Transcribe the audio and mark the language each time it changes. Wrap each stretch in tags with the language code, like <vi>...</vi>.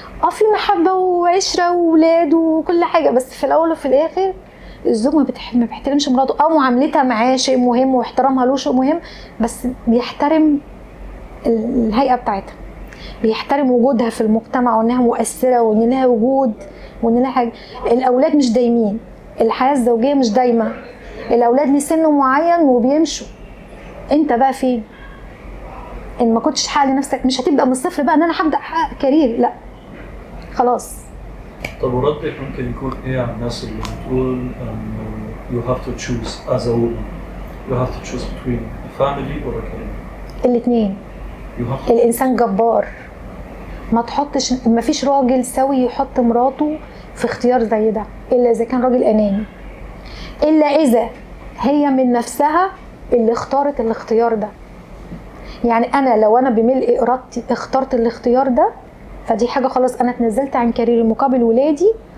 <ar>في محبه وعشره واولاد وكل حاجه بس في الاول وفي الاخر الزوج ما بيحترمش مراته او معاملتها معاه شيء مهم واحترامها له شيء مهم بس بيحترم الهيئه بتاعتها بيحترم وجودها في المجتمع وانها مؤثره وان لها وجود وان لها حاجه الاولاد مش دايمين الحياه الزوجيه مش دايمه الاولاد ليه سن معين وبيمشوا انت بقى فين ان ما كنتش حاقق لنفسك مش هتبدا من الصفر بقى ان انا هبدا احقق كارير لا خلاص طب وردك ممكن يكون ايه على الناس اللي بتقول</ar> <en>you have to choose as a woman you have to choose between a family or a career</en> <ar>الاثنين الانسان جبار ما تحطش ما فيش راجل سوي يحط مراته في اختيار زي ده الا اذا كان راجل اناني الا اذا هي من نفسها اللي اختارت الاختيار ده يعني انا لو انا بملء ارادتي اخترت الاختيار ده فدي حاجه خلاص انا اتنزلت عن كاريري مقابل ولادي</ar>